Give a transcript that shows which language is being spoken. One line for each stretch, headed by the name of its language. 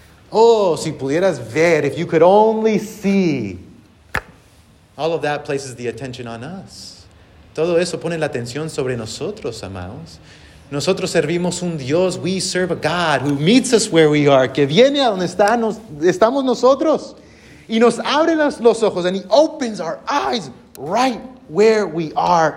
English: Oh,
Spanish: si pudieras ver,
English: if you could only see. All of that places the attention on us.
Spanish: Todo eso pone la atención sobre nosotros, amados. Nosotros servimos un Dios.
English: We serve a God who meets us where we are.
Spanish: Que viene a donde estamos nosotros. Y nos abre los ojos.
English: And he opens our eyes right where we are.